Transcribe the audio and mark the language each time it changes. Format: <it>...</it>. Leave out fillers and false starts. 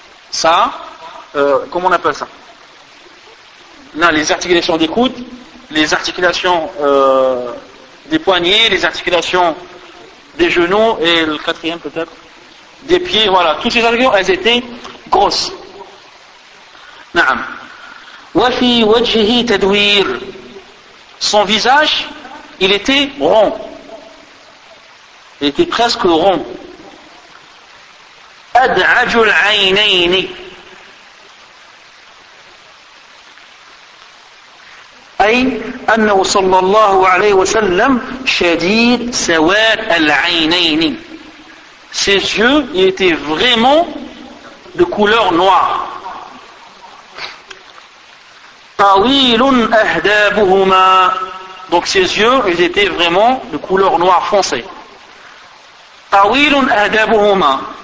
<fr>Ça, comment on appelle ça? Là, les articulations des coudes, les articulations des poignets, les articulations des genoux et le quatrième peut-être des pieds, voilà, toutes ces articulations elles étaient grosses. Na'am.</fr> <ar>Wa fi wajhihi tadwir,</ar> <fr>son visage il était rond, il était presque rond.</fr> <ar>Ad'ajul aynayni, أي أنه صلى الله عليه وسلم شديد سواد العينين.</ar> <fr>Ses yeux étaient vraiment de couleur noire.</fr> <ar>طويل أهدابهما.</ar> <fr>Donc ses yeux, ils étaient vraiment de couleur noire foncée.</fr> <ar>طويل أهدابهما.</ar>